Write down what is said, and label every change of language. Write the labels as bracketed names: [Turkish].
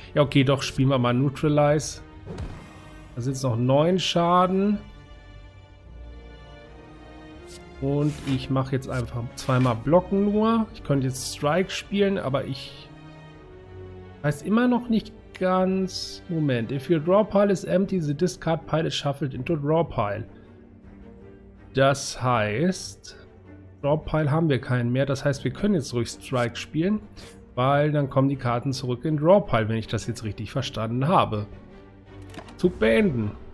[German] Ja, okay, doch, spielen wir mal Neutralize. Da sind es noch 9 Schaden. Und ich mache jetzt einfach zweimal Blocken nur. Ich könnte jetzt Strike spielen, aber ich weiß immer noch nicht ganz. Moment. [English] If your draw pile is empty, the discard pile is shuffled into draw pile. [German] Das heißt, Draw Pile haben wir keinen mehr. Das heißt, wir können jetzt ruhig Strike spielen, weil dann kommen die Karten zurück in Draw Pile, wenn ich das jetzt richtig verstanden habe. Zug beenden.